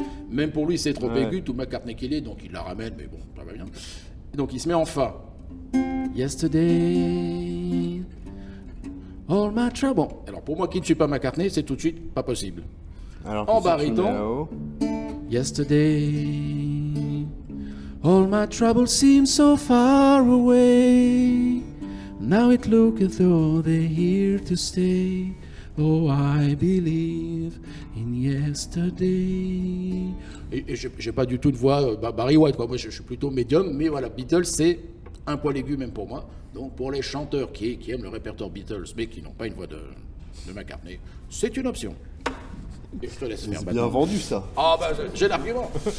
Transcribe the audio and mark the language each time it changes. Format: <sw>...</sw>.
<fr>Même pour lui, c'est trop aigu, tout McCartney qu'il est, donc il la ramène, mais bon, ça va bien. Donc il se met en fa.</fr> <en>Yesterday, all my trouble.</en> <fr>Bon, alors pour moi qui ne suis pas McCartney, c'est tout de suite pas possible. Alors, en baryton.</fr> <en>Yesterday, all my trouble seems so far away. Now it looks as though they're here to stay. Oh, I believe in yesterday.</en> <fr>Et j'ai pas du tout de voix Barry White, quoi. Moi, je suis plutôt médium, mais voilà, Beatles, c'est un poil aigu même pour moi. Donc, pour les chanteurs qui aiment le répertoire Beatles, mais qui n'ont pas une voix de McCartney, c'est une option. Et je te laisse faire. C'est bien vendu, ça. Ah, bah, j'ai l'argument.</fr>